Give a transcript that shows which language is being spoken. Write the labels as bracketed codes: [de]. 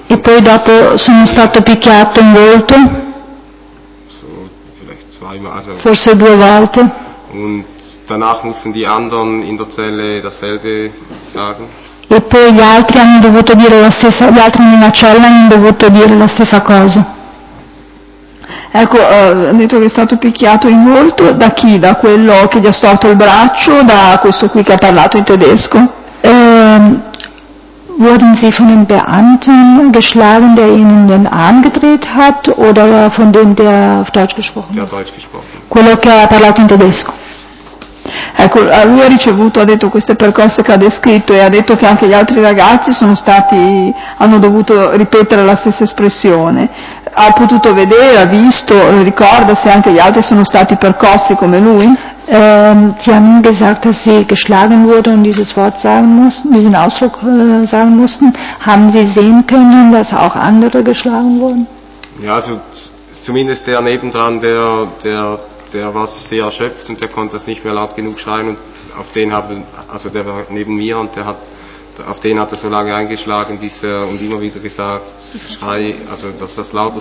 [it] E poi dopo sono stato picchiato in volto. [de] So vielleicht zweimal, also [it] forse due volte. [de] Und danach mussten die anderen in der Zelle dasselbe sagen. [it] E poi gli altri hanno dovuto dire la stessa, gli altri nella cella hanno dovuto dire la stessa cosa. Ecco, ha detto che è stato picchiato in volto da chi? Da quello che gli ha storto il braccio, da questo qui che ha parlato in tedesco? [de] Wurden Sie von dem Beamten geschlagen, der Ihnen den Arm gedreht hat, oder von dem, der auf Deutsch gesprochen hat? Der Deutsch gesprochen. [it] Quello che ha parlato in tedesco. Ecco, lui ha ricevuto, ha detto queste percosse che ha descritto e ha detto che anche gli altri ragazzi hanno dovuto ripetere la stessa espressione. ha potuto vedere, ha visto, ricorda se anche gli altri sono stati percossi come lui? [de] Sie haben gesagt, dass sie geschlagen wurde und dieses Wort sagen mussten, diesen Ausdruck sagen mussten. Haben sie sehen können, dass auch andere geschlagen wurden? Ja, also zumindest der nebendran, der war sehr erschöpft und der konnte das nicht mehr laut genug schreien und auf den haben, also der war neben mir und der hat, auf den hat er so lange eingeschlagen, bis er und immer wieder gesagt, schrei, also dass das lauter